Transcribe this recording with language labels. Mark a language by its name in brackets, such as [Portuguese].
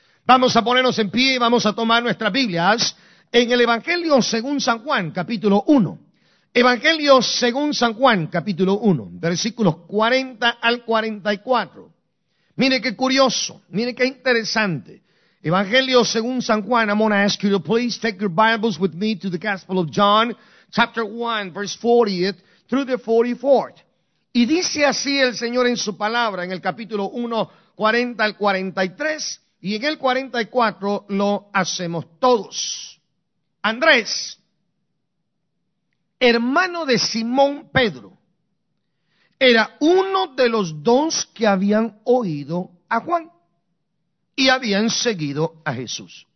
[Spanish] Vamos a ponernos en pie y vamos a tomar nuestras Biblias. En el Evangelio según San Juan, capítulo 1. Evangelio según San Juan, capítulo 1, versículos 40 al 44. Mire qué curioso, mire qué interesante. Evangelio según San Juan, [English] I'm going to ask you to please take your Bibles with me to the Gospel of John, chapter 1, verse 40 through the 44th. [Spanish] Y dice así el Señor en su palabra, en el capítulo 1, 40 al 43, y en el 44 lo hacemos todos. Andrés, hermano de Simón Pedro, era uno de los dos que habían oído a Juan y habían seguido a Jesús.